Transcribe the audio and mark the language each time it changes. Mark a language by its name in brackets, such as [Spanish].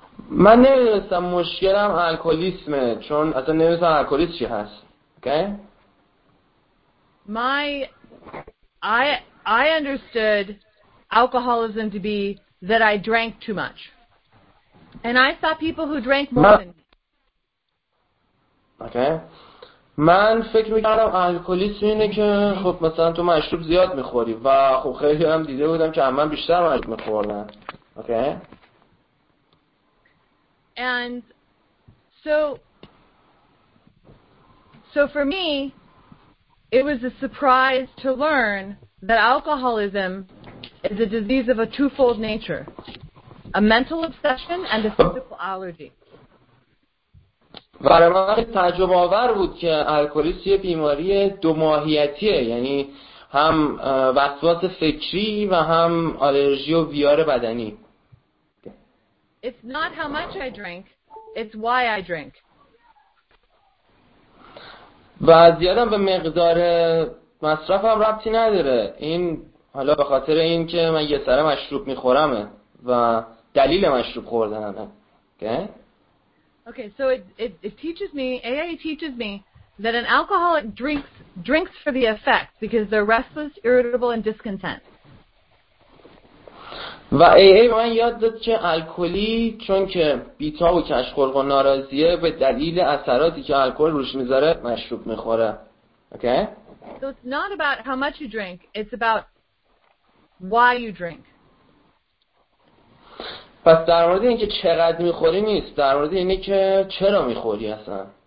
[Persian] من نمی‌دونستم مشکلم الکلیسمه چون اصلا نمی‌دونستم الکلیسم چی هست. [English] Okay? I understood alcoholism to be that I drank too much. And I saw people who drank more than me. Okay. [Persian] من فکر میکردم الکلیسم اینه که خب مثلا تو مشروب زیاد میخوری و خب خیلی هم دیده بودم که همه بیشتر مشروب میخوردن. [English] Okay. And so for me it was a surprise to learn that alcoholism is a disease of a twofold nature, a mental obsession and a physical allergy. [Persian] برای من تعجب آور بود که الکلیسم یه بیماری دو ماهیتیه، یعنی هم وسواس فکری و هم آلرژی و ویار بدنی. [English] It's not how much I drink, it's why I drink. [Persian] و زیادم به مقدار مصرفم ربطی نداره، این حالا به خاطر این که من یه سر مشروب میخورمه و دلیل مشروب خوردنمه. [English] Okay, so it teaches me, AA teaches me that an alcoholic drinks for the effect because they're restless, irritable, and discontent. [Persian] و AA من یاد داد که الکلی چون که بیتاب و کشخلق و ناراضیه به دلیل اثراتی که الکل روش میذاره مشروب میخوره. [English] Okay? So it's not about how much you drink, it's about why you drink. [Persian] پس در مورد این که چقدر میخوری نیست، در مورد اینه که چرا میخوری اصلا.